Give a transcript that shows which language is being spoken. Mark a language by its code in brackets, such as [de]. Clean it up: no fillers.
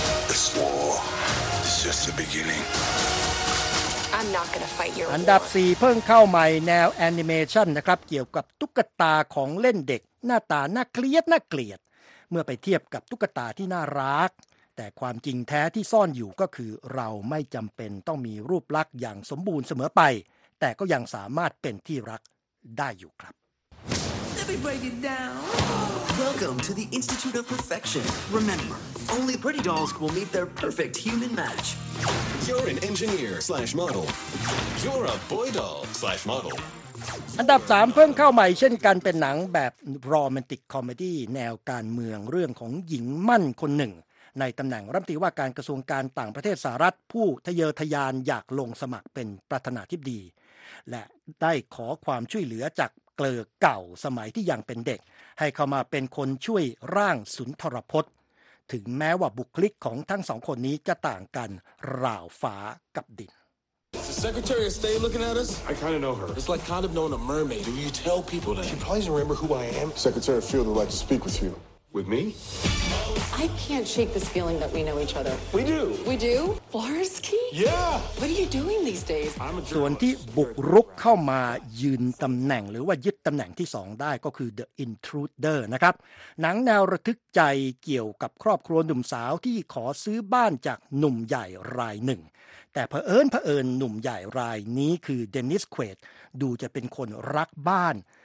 [th] This war is just the beginningอันดับ4เพิ่งเข้าใหม่แนวแอนิเมชันนะครับเกี่ยวกับตุ๊กตาของเล่นเด็กหน้าตาน่าเกลียดน่าเกลียดเมื่อไปเทียบกับตุ๊กตาที่น่ารักแต่ความจริงแท้ที่ซ่อนอยู่ก็คือเราไม่จำเป็นต้องมีรูปลักษณ์อย่างสมบูรณ์เสมอไปแต่ก็ยังสามารถเป็นที่รักได้อยู่ครับWelcome to the Institute of Perfection. [en] Remember, only pretty dolls will meet their perfect human match. You're an engineer slash model. You're a boy doll slash model. [th] อันดับ3เพิ่งเข้าใหม่เช่นกันเป็นหนังแบบโรแมนติกคอมเมดี้แนวการเมืองเรื่องของหญิงมั่นคนหนึ่งในตำแหน่งรัฐมนตรีว่าการกระทรวงการต่างประเทศสหรัฐผู้ทะเยอทะยานอยากลงสมัครเป็นประธานาธิบดี และได้ขอความช่วยเหลือจากเกลือเก่าสมัยที่ยังเป็นเด็กให้เข้ามาเป็นคนช่วยร่างสุนทรพจน์ถึงแม้ว่าบุคลิกของทั้งสองคนนี้จะต่างกันราวฟ้ากับดิน [en] With me? I can't shake this feeling that we know each other. We do. We do? Florsky? Yeah. What are you doing these days? [th] ส่วนที่บุกรุกเข้ามายืนตำแหน่งหรือว่ายึดตำแหน่งที่2ได้ก็คือ The Intruder นะครับหนังแนวระทึกใจเกี่ยวกับครอบครัวหนุ่มสาวที่ขอซื้อบ้านจากหนุ่มใหญ่รายหนึ่งแต่เผอิญหนุ่มใหญ่รายนี้คือเดนนิสเควดดูจะเป็นคนรักบ้าน